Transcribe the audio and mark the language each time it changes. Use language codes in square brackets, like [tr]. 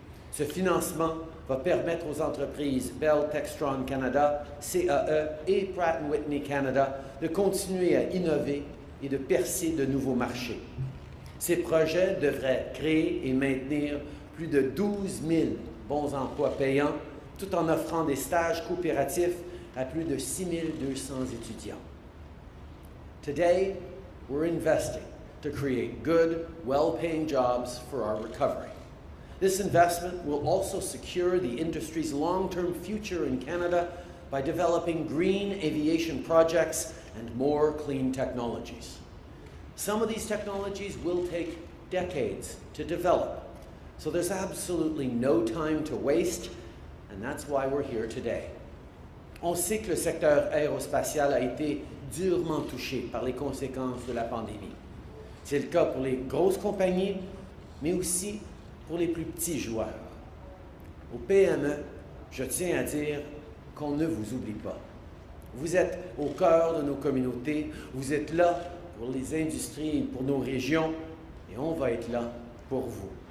[fr] Ce financement va permettre aux entreprises Bell Textron Canada, CAE et Pratt & Whitney Canada de continuer à innover et de percer de nouveaux marchés. Ces projets devraient créer et maintenir plus de 12 000 bons emplois payants, tout en offrant des stages coopératifs à plus de 6 200 étudiants. [en] Today, we're investing to create good, well-paying jobs for our recovery. This investment will also secure the industry's long-term future in Canada by developing green aviation projects and more clean technologies. Some of these technologies will take decades to develop, so there's absolutely no time to waste, and that's why we're here today. [fr] On sait que le secteur aérospatial a été durement touché par les conséquences de la pandémie. C'est le cas pour les grosses compagnies, mais aussi pour les plus petits joueurs. Au PME, Je tiens à dire qu'on ne vous oublie pas. Vous êtes au cœur de nos communautés, vous êtes là pour les industries, pour nos régions, et on va être là pour vous.